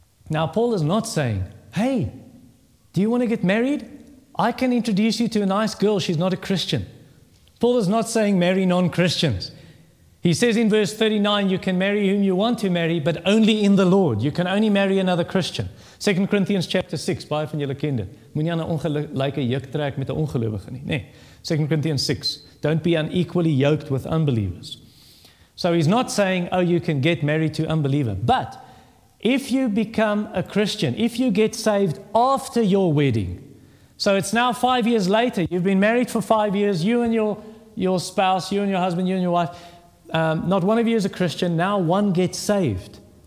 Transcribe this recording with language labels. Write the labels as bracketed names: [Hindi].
[English] Now, Paul is not saying, hey, do you want to get married? I can introduce you to a nice girl. She's not a Christian. Paul is not saying marry non-Christians. He says in verse 39, you can marry whom you want to marry, but only in the Lord. You can only marry another Christian. 2 Corinthians chapter 6, [Afrikaans] baie van julle ken dit. Moenie aan 'n ongelyke juk trek met 'n ongelowige nie. [English] Nee. 2 Corinthians 6, don't be unequally yoked with unbelievers. So he's not saying, oh, you can get married to unbeliever. But if you become a Christian, if you get saved after your wedding, so it's now 5 years later, you've been married for 5 years, you and your spouse, you and your husband, you and your wife, not one of you is a Christian, now one gets saved.